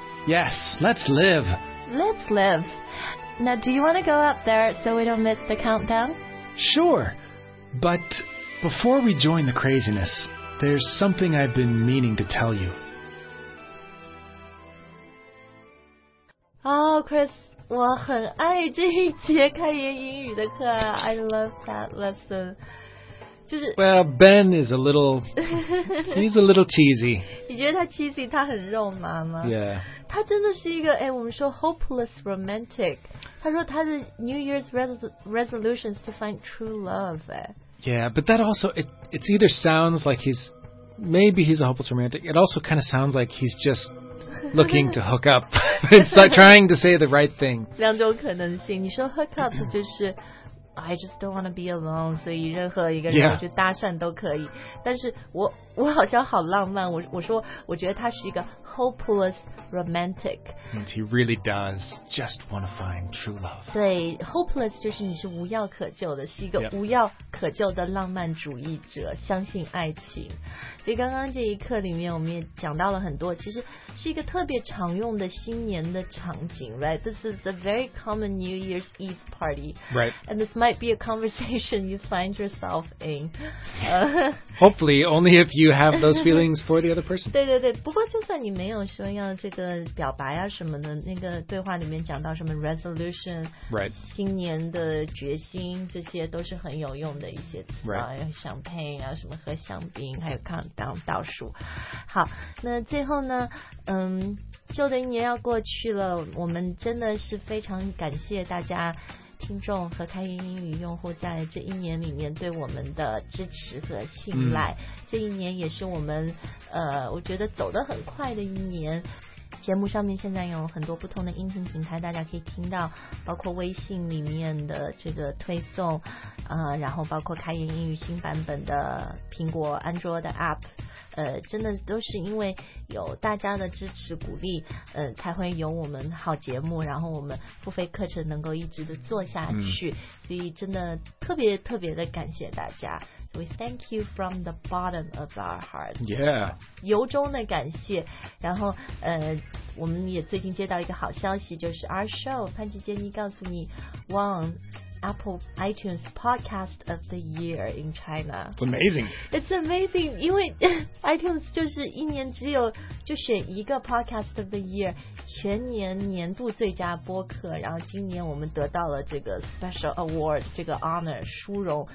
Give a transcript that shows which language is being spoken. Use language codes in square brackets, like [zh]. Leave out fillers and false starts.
[en] Yes, let's live. Let's live. Now, do you want to go up there so we don't miss the countdown? Sure. But before we join the craziness, there's something I've been meaning to tell you. Oh, Chris. [zh] 我很爱这一节开言英语的课啊 [en] I love that lesson. [zh] 就是 [en] Well, Ben is a little, he's a little cheesy. [zh] 你觉得他 cheesy, 他很肉麻吗 [en] Yeah. [zh] 他真的是一个、哎、我们说 hopeless romantic. 他说他的 [en] New Year's resolution is to find true love.、哎、 yeah, but that also, it either sounds like he's, maybe he's a hopeless romantic. It also kind of sounds like he's just,looking to hook up. It's like trying to say the right thing. [zh] 两种可能性，你说 hook up 就是 [en] I just don't want to be alone, [zh] 所以任何一个人去搭讪都可以。 [en] Yeah. [zh] 但是我好像好浪漫，我说我觉得他是一个 hopeless romantic. [en] And he really does just want to find true love. [zh] 对 ，hopeless 就是你是无药可救的，是一个无药可救的浪漫主义者，相信爱情。所以刚刚这一课里面，我们也讲到了很多，其实是一个特别常用的新年的场景 ，right? [en] This is a very common New Year's Eve party. Right. And this might be a conversation you find yourself in. Hopefully, only if you have those feelings for the other person. [zh] 对对对，不过就算你没有说要这个表白啊什么的，那个对话里面讲到什么 resolution, [en] right? [zh] 新年的决心，这些都是很有用的一些词啊。 [en] Right. [zh] 像 champagne 啊，什么喝香槟，还有 countdown 倒数。好，那最后呢，旧的一年要过去了，我们真的是非常感谢大家。听众和开云英语用户在这一年里面对我们的支持和信赖，这一年也是我们我觉得走得很快的一年。节目上面现在有很多不同的音频平台，大家可以听到，包括微信里面的这个推送，然后包括开云英语新版本的苹果安卓的 app, 真的都是因为有大家的支持鼓励，才会有我们好节目，然后我们付费课程能够一直的做下去，所以真的特别特别的感谢大家。 [en] We thank you from the bottom of our heart. Yeah. [zh] 由衷的感谢。然后我们也最近接到一个好消息，就是 [en] our show, [zh] 潘吉杰尼告诉你 [en] won Apple iTunes Podcast of the Year in China. It's amazing. It's amazing, [zh] 因为 iTunes 就是一年只有就选一个 Podcast of the Year, 全年年度最佳播客，然后今年我们得到了这个 Special Award, 这个 Honor, 殊荣。